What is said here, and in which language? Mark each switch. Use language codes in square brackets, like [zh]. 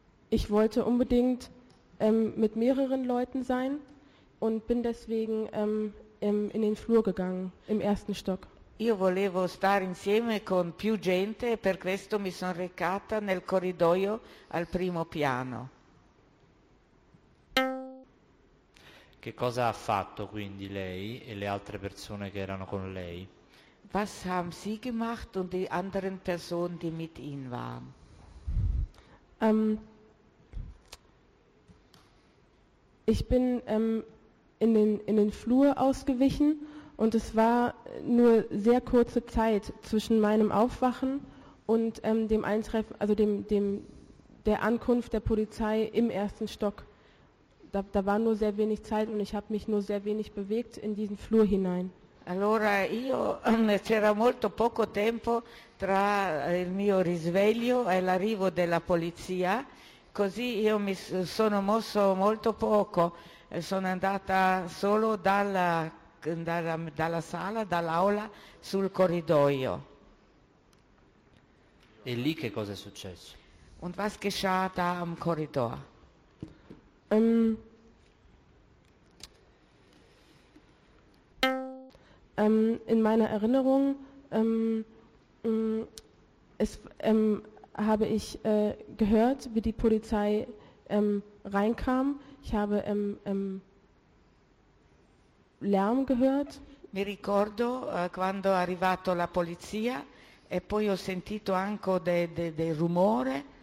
[de] Ich wollte unbedingt mit mehreren Leuten sein und bin deswegen in den Flur gegangen, im ersten Stock. [it] Io volevo stare insieme con più gente e per questo mi sono recata nel corridoio al primo piano. Che cosa ha fatto quindi lei e le altre persone che erano con lei? [de] Was haben Sie gemacht und die anderen Personen, die mit Ihnen waren? Ich bin in den Flur ausgewichen und es war nur sehr kurze Zeit zwischen meinem Aufwachen und dem Eintreffen, also der Ankunft der Polizei im ersten Stock. Da war nur sehr wenig Zeit und ich habe mich nur sehr wenig bewegt in diesen Flur hinein. [it] Allora io c'era molto poco tempo tra il mio risveglio e l'arrivo della polizia. Così io mi sono mosso molto poco, sono andata solo dalla sala, dall'aula, sul corridoio. E lì che cosa è successo? [de] Und was geschah da am Korridor? In meiner Erinnerung habe ich gehört, wie die Polizei reinkam. Ich habe Lärm gehört. [it] Mi ricordo quando è arrivato la polizia e poi ho sentito anche dei rumore